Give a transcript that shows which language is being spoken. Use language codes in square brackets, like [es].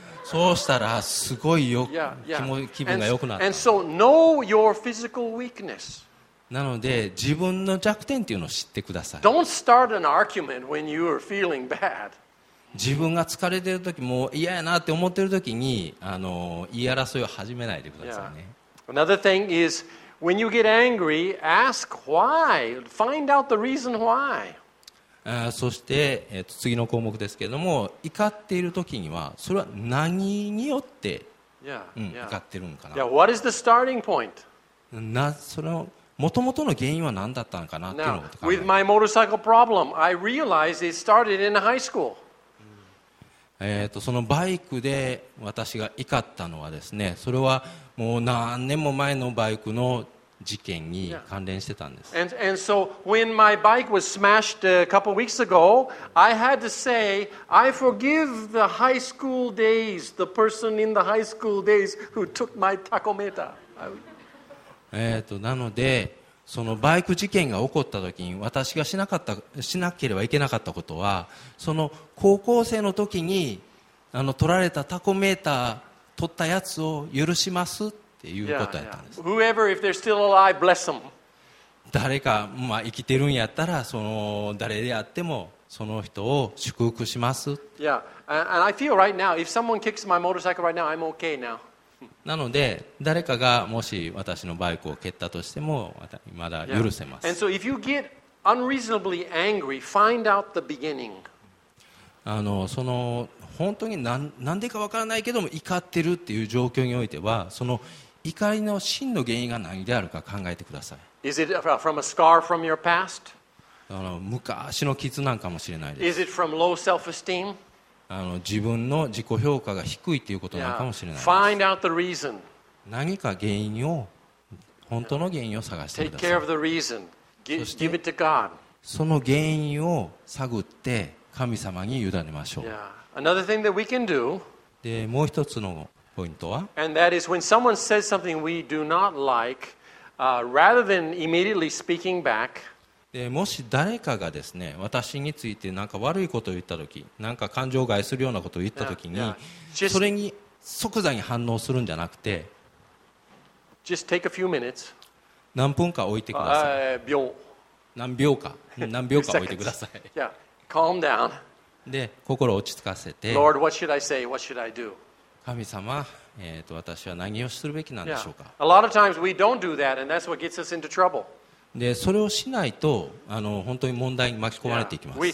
[ja] そうしたらすごいよ、気分が良くなった。 [en] And so know your physical weakness. [ja] なので自分の弱点っていうのを知ってください。 [en] Don't start an argument when you are feeling bad. [ja] 自分が疲れてる時も嫌やなって思ってる時に言い争いを始めないでくださいね。 [en] Yeah. Another thing is when you get angry, ask why. Find out the reason why. [ja] そして、次の項目ですけれども、怒っているときには、それは何によって怒っているのかな。 [en] Yeah, what is the starting point? [ja] それの元々の原因は何だったのかなっていうのを考えます。 [en] With my motorcycle problem, I realized it started in high school. [ja] そのバイクで私が怒ったのはですね、それはもう何年も前のバイクの事件に関連してたんです。 [en] And so when my bike was smashed a couple weeks ago, I had to say, I forgive the high school days, the person in the high school days who took my tachometer. [ja] なので、そのバイク事件が起こった時に私がしなければいけなかったことは、その高校生の時に取られたタコメーター取ったやつを許しますっていうことだったんです。 [en] Whoever, if they're still alive, bless them. [ja] 誰か、まあ、生きてるんやったらその誰であってもその人を祝福します。 [en] Yeah, and I feel right now, if someone kicks my motorcycle right now, I'm okay now. [ja] なので誰かがもし私のバイクを蹴ったとしてもまだ許せます。 [en] And so if you get unreasonably angry, find out the beginning. [ja] その本当に何でか分からないけども怒ってるっていう状況においては、その怒りの真の原因が何であるか考えてください。 [en] Is it from a scar from your past? [ja] 昔の傷なんかもしれないです。 [en] Is it from low self-esteem? [ja] 自分の自己評価が低いということなのかもしれないです。 [en] Find out the reason. [ja] 何か原因を、本当の原因を探してください。 [en] Take care of the reason. Give it to God. [ja] その原因を探って神様に委ねましょう。 [en] Yeah. Another thing that we can do, [ja] でもう一つのポイントは、 [en] And that is when someone says something we do not like, rather than immediately speaking back, [ja] でもし誰かがですね、私について何か悪いことを言ったとき、何か感情を害するようなことを言ったときに、 [en] Just, [ja] それに即座に反応するんじゃなくて、 [en] Just take a few minutes. [ja] 何分か置いてください。何秒か置いてください。 [en] Yeah, calm down. [ja] で心を落ち着かせて、 [en] Lord, what should I say? What should I do? [ja] 神様、私は何をするべきなんでしょうか。 [en] A lot of times we don't do that, and that's what gets us into trouble. [ja] でそれをしないと本当に問題に巻き込まれていきます。